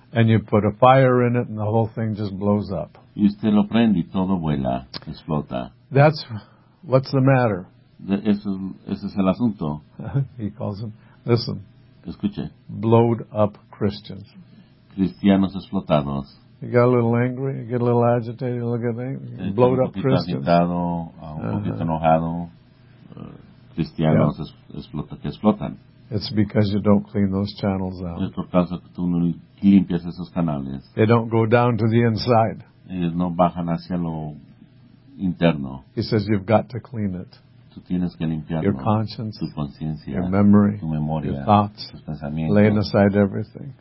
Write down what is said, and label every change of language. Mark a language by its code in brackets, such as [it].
[en] And you put a fire in it and the whole thing just blows up. [es] Y usted lo prende y todo vuela, explota. [en] That's what's the matter. [es] Ese es el asunto. [en] He calls him, listen. [es] Escuche. [en] Blowed up Christians. [es] Cristianos explotados. [en] You got a little angry, you get a little agitated, you look at them. Blowed up Christians. [es] Agitado, un poquito enojado. Cristianos que explotan. [en] It's because you don't clean those channels out. [es] Es por causa que tú no limpias esos canales. [en] They don't go down to the inside. [es] Ellos no bajan hacia lo interno. [en] He says you've got to clean it. [es] Tú tienes que limpiarlo. [en] Your conscience, [es] tu conciencia, [en] your memory, [es] tu memoria, [en] your thoughts, [es] tus pensamientos, [en] laying aside everything.